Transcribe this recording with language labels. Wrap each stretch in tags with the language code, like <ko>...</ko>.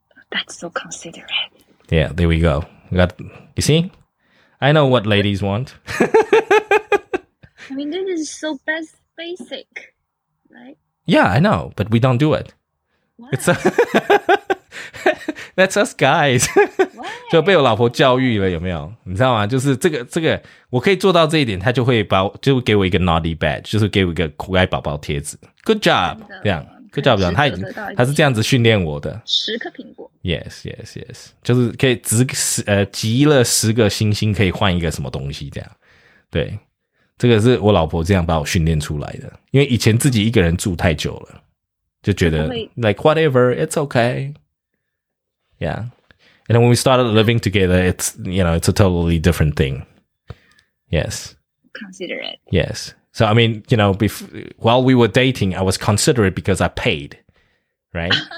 <en>That's so considerate. Yeah, there we go. You see? I know what ladies want. I mean, this is so basic, right? Yeah, I know, but we don't do it. Why? It's a That's us guys.</en> <zh>就被我老婆教育了，有没有？你知道吗？就是这个，我可以做到这一点，他就会把就给我一个 naughty badge， 就是给我一个可爱宝宝贴纸。</zh> <en>Good job，</en> <zh>这样。Good job， 他是这样子训练我的。十颗苹果。</zh> <en>Yes, yes, yes，</en> <zh>就是可以集了十个星星，可以换一个什么东西这样。对，这个是我老婆这样把我训练出来的，因为以前自己一个人住太久了。就觉得</zh> <en>like whatever, it's okay. Yeah. And then when we started living together, it's, you know, it's a totally different thing. Yes. Considerate. Yes. So, I mean, you know, while we were dating, I was considerate because I paid, right?</en>